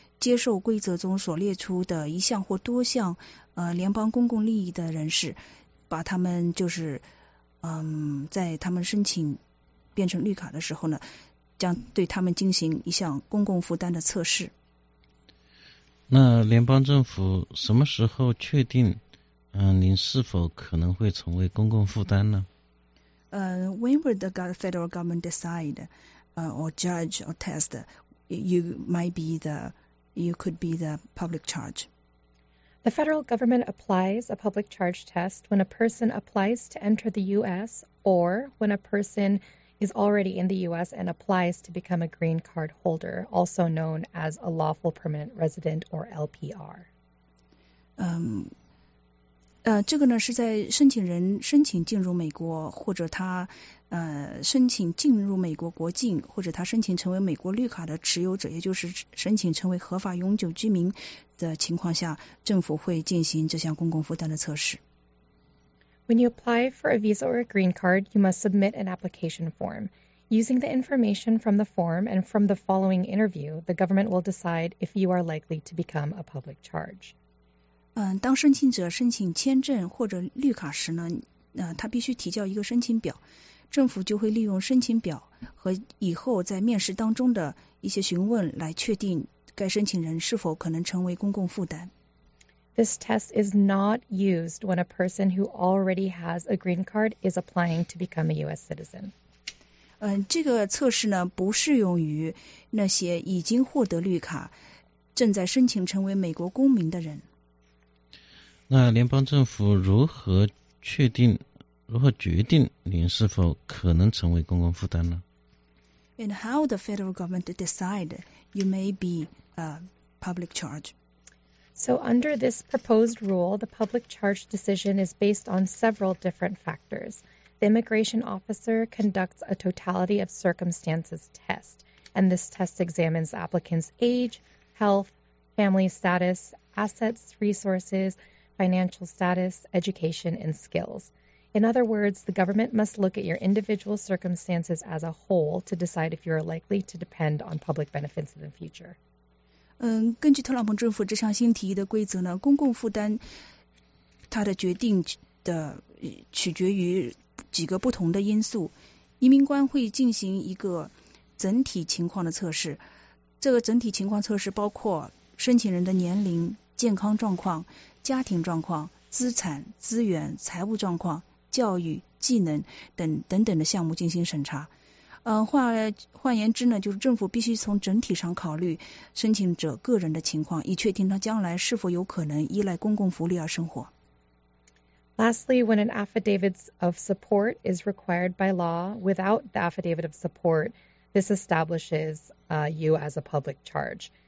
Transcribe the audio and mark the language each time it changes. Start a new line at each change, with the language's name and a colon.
Chinese: 接受规则中所列出的一项或多项联邦公共利益的人士，把他们就是在他们申请变成绿卡的时候呢，将对他们进行一项公共负担的测试。那联邦政府什么时候确定您是否可能会成为公共负担呢？
English: When will the federal government decide or judge or test you might be the you could be the public charge? The federal government applies a public charge test when a person applies to enter the U.S. or when a person is already in the U.S. and applies to become a green card holder, also known as a lawful permanent resident or LPR.
Chinese: 这个呢是在申请人申请进入美国或者他申请进入美国国境或者他申请成为美国绿卡的持有者，也就是申请成为合法永久居民的情况下，政府会进行这项公共负担的测试。
English: When you apply for a visa or a green card, you must submit an application form. Using the information from the form and from the following interview, the government will decide if you are likely to become a public charge.
Chinese: 当申请者申请签证或者绿卡时呢，他必须提交一个申请表，政府就会利用申请表和以后在面试当中的一些询问来确定该申请人是否可能成为公共负担。
English: This test is not used when a person who already has a green card is applying to become a U.S. citizen.
Chinese: 这个测试呢不适用于那些已经获得绿卡正在申请成为美国公民的人。那联邦政府如何确定如何决定您是否可能成为公共负担呢？
English: And how the federal government decide you may be a public charge? So under this proposed rule, the public charge decision is based on several different factors. The immigration officer conducts a totality of circumstances test, and this test examines the applicant's age, health, family status, assets, resources,financial status, education, and skills. In other words, the government must look at your individual circumstances as a whole to decide if you are likely to depend on public benefits in the future.
Chinese: 根据特朗普政府这项新提议的规则呢，公共负担它的决定的取决于几个不同的因素。移民官会进行一个整体情况的测试，这个整体情况测试包括申请人的年龄、健康状况、家庭状况、资产、资源、财务状况、教育、技能等等等的项目进行审查。换言之呢，就是政府必须从整体上考虑申请者个人的情况，以确定他将来是否有可能依赖公共福利而生活。
English: Lastly, when an affidavit of support is required by law, without the affidavit of support, this establishes you as a public charge.